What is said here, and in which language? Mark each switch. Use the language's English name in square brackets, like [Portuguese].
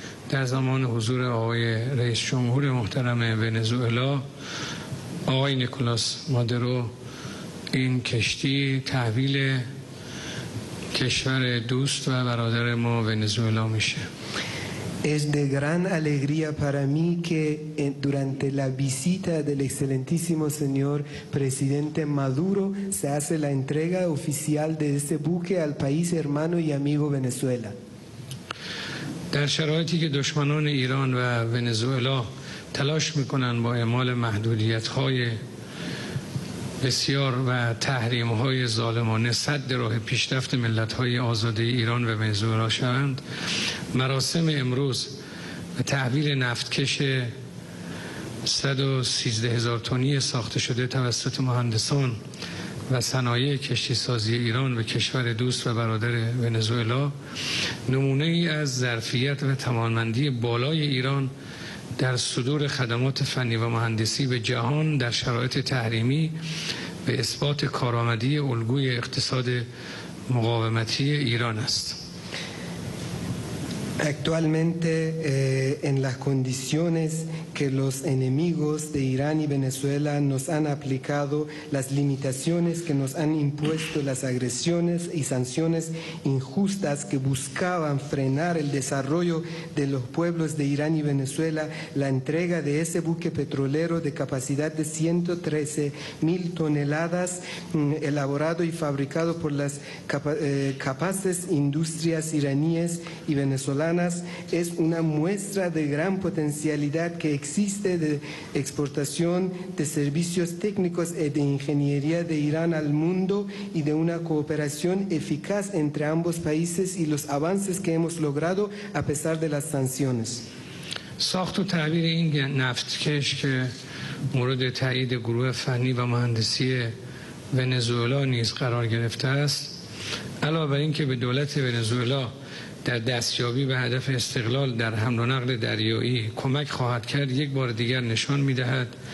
[Persian] در زمان حضور آقای رئیس جمهور محترم ونزوئلا آقای نیکولاس مادرو، این کشتی تحویل کشور دوست و برادر ما ونزوئلا میشه. [Spanish] Es de gran alegría para mí que durante la visita del excelentísimo señor presidente Maduro se hace la entrega oficial de ese buque al país hermano y amigo Venezuela. [Persian] در شرایطی که دشمنان ایران و ونزوئلا تلاش میکنن با اعمال محدودیت‌های بسیار و تحریم‌های ظالمانه سد راه پیشرفت ملت‌های آزاده ایران و ونزوئلا شوند، مراسم امروز و تحویل نفتکش 113,000 تنی ساخته شده توسط مهندسان و صنایع کشتی سازی ایران به کشور دوست و برادر ونزوئلا نمونه ای از ظرفیت و توانمندی بالای ایران در صدور خدمات فنی و مهندسی به جهان در شرایط تحریمی به اثبات کارآمدی الگوی اقتصاد مقاومتی ایران است. [Spanish] Actualmente, en las condiciones que los enemigos de Irán y Venezuela nos han aplicado, las limitaciones que nos han impuesto, las agresiones y sanciones injustas que buscaban frenar el desarrollo de los pueblos de Irán y Venezuela, la entrega de ese buque petrolero de capacidad de 113 mil toneladas, elaborado y fabricado por las capaces industrias iraníes y venezolanas, es una muestra de gran potencialidad que existe de exportación de servicios técnicos y de ingeniería de Irán al mundo y de una cooperación eficaz entre ambos países y los avances que hemos logrado a pesar de las sanciones. [Persian] ساخت و تعمیر این نفتکش که مورد تایید گروه فنی و مهندسی ونزوئلا نیز قرار گرفته است علاوه بر اینکه به دولت ونزوئلا در دستیابی به هدف استقلال در حمل و نقل دریایی کمک خواهد کرد یک بار دیگر نشان می‌دهد